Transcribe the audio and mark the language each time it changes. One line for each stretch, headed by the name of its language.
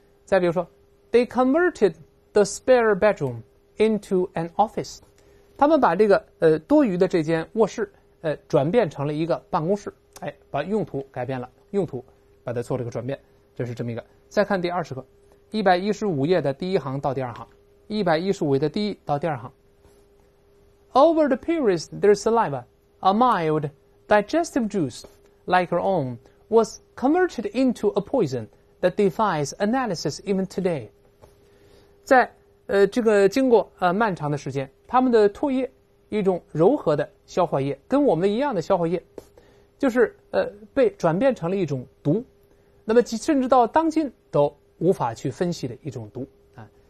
Chinese: 再比如说 ，
English: They converted the spare bedroom into an office，
Chinese: 他们把这个多余的这间卧室转变成了一个办公室，哎，把用途改变了，用途把它做了一个转变，这是这么一个。再看第二十课，115页的第一行到第二行，115页的第一到第二行。
English: Over the period, their saliva, a mild digestive juice like her own, was converted into a poison that defies analysis even today.
Chinese: 在这个经过漫长的时间，他们的唾液，一种柔和的消化液，跟我们一样的消化液，就是被转变成了一种毒，那么甚至到当今都无法去分析的一种毒啊。